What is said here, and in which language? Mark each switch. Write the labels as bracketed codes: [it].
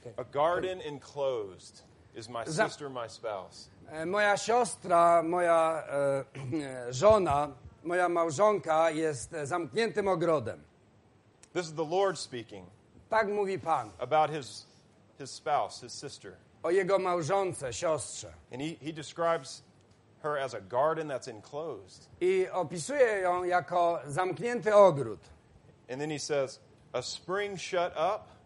[en] Okay. A garden enclosed is my sister, my spouse. [pl] Moja siostra, moja żona, moja małżonka jest zamkniętym ogrodem. [en] This is the Lord speaking. [pl] Tak mówi Pan. [en] About his spouse, his sister. [pl] O jego małżonce, siostrze. [en] And he describes her as a garden that's enclosed. [pl] I opisuje ją jako zamknięty ogród. [en] And then he says, a spring shut up.